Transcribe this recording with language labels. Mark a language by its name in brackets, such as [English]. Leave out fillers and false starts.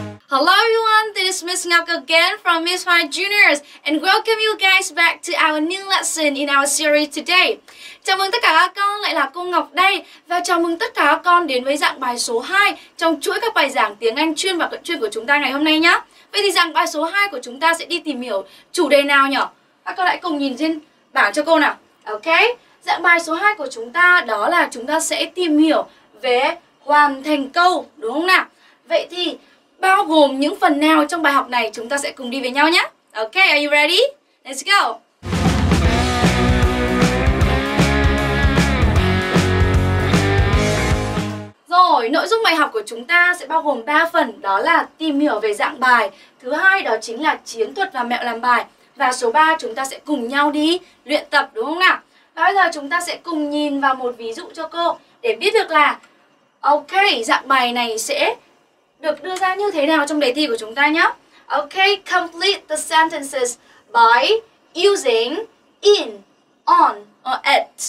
[English] Hello everyone, this is Miss Ngọc again from Miss Hoa Juniors and welcome you guys back to our new lesson in our series today. [Vietnamese] Chào mừng tất cả các con, lại là cô Ngọc đây và chào mừng tất cả các con đến với dạng bài số 2 trong chuỗi các bài giảng tiếng Anh chuyên và cận chuyên của chúng ta ngày hôm nay nhé. Vậy thì dạng bài số 2 của chúng ta sẽ đi tìm hiểu chủ đề nào nhỉ? Các con hãy cùng nhìn trên bảng cho cô nào. Ok, dạng bài số 2 của chúng ta đó là chúng ta sẽ tìm hiểu về hoàn thành câu, đúng không nào? Vậy thì bao gồm những phần nào trong bài học này chúng ta sẽ cùng đi với nhau nhé. Ok, [English] are you ready? Let's go! [Vietnamese] Rồi, nội dung bài học của chúng ta sẽ bao gồm 3 phần, đó là tìm hiểu về dạng bài. Thứ hai đó chính là chiến thuật và mẹo làm bài. Và số 3 chúng ta sẽ cùng nhau đi luyện tập, đúng không nào? Và bây giờ chúng ta sẽ cùng nhìn vào một ví dụ cho cô để biết được là ok, dạng bài này sẽ được đưa ra như thế nào trong đề thi của chúng ta nhé. [English] Ok, complete the sentences by using in, on, or at.